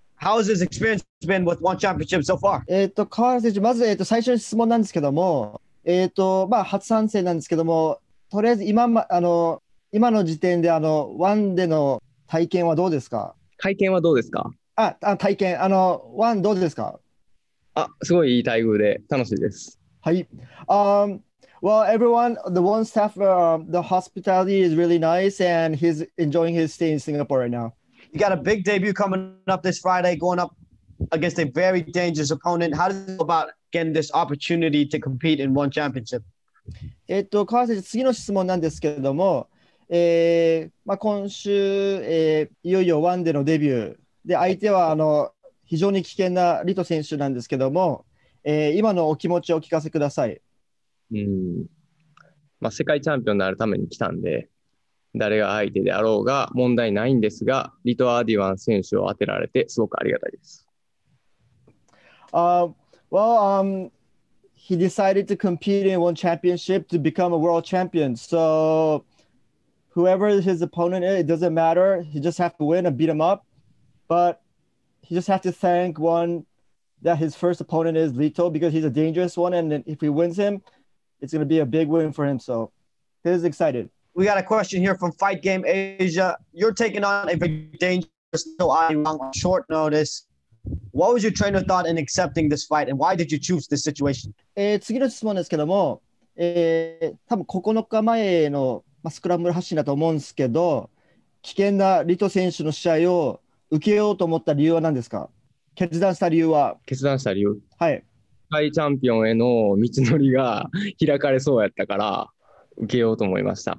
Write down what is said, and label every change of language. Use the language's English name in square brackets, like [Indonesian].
[English] How's his experience been with one championship so far? [Japanese] 川原選手、まず、最初の質問なんですけども、まあ、初参戦なんですけども、とりあえず今、ま、あの今の時点で、あのワンでの体験はどうですか？体験はどうですか？あ、体験、あのワンどうですか？あ、すごいいい待遇で楽しいです。はい、 [English] well, everyone, the one staff, the hospitality is really nice, and he's enjoying his stay in Singapore right now. You got a big debut coming up this Friday, going up against a very dangerous opponent. How do you feel about getting this opportunity to compete in one championship? [Japanese] 川瀬次の質問なんですけれども、まあ、今週、いよいよワンでのデビューで、相手はあの非常に危険なリト選手なんですけども、今のお気持ちをお聞かせください。まあ、世界チャンピオンになるために来たんで、誰が相手であろうが問題ないんですが、リト・アーディワン選手を当てられてすごくありがたいです。 [English] Well, he decided to compete in one championship to become a world champion. So, whoever his opponent is, it doesn't matter. He just has to win and beat him up. But he just has to thank one that his first opponent is Lito because he's a dangerous one. And if he wins him, it's going to be a big win for him. So, he's excited. We got a question here from Fight Game Asia. You're taking on a very dangerous Lito Adiwang on short notice. What was your trainer thought in accepting this fight, and why did you choose this situation? [Japanese] 次の質問ですけども、多分9日前の、まあ、スクラムル発信だと思うんですけど、危険なリト選手の試合を受けようと思った理由は何ですか？決断した理由は？決断した理由？はい。世界チャンピオンへの道のりが開かれそうやったから、受けようと思いました。